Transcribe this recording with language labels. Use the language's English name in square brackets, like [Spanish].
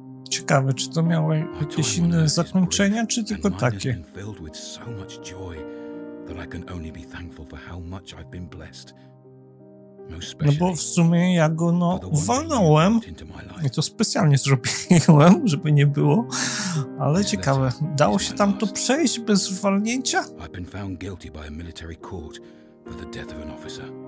[Polish] Ciekawe, czy to miało jakieś inne zakończenia, czy tylko takie? [English] Been filled with so much joy that I can only be thankful for how much I've been blessed. [Polish] No bo w sumie ja go no uwalnąłem i to specjalnie zrobiłem, żeby nie było, ale ciekawe, dało się tam to przejść bez uwalnięcia? [English] I've been found guilty by a military court for the death of an officer.